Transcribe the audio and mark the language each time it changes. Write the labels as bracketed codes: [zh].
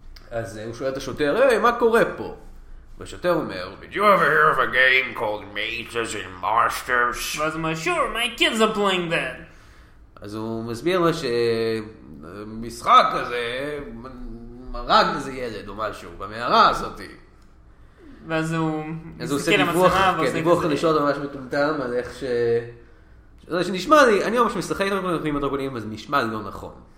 [he] אז הוא שואל את השוטר, היי, מה קורה פה? והשוטר אומר, [en] did you ever hear of a game called Mazes and Monsters? [he] ואז הוא אומר, [en] sure, my kids are playing that. [he] אז הוא מסביר לו שמשחק הזה מרג איזה ילד או משהו במערה הזאת. ואז הוא מסתכל למצלמה, דיווח, כן, דיווח חדשות ממש מטומטם על איך ש... זה שנשמע לי, אני ממש משחק איתם כמו דרקונים, אז נשמע לי לא נכון.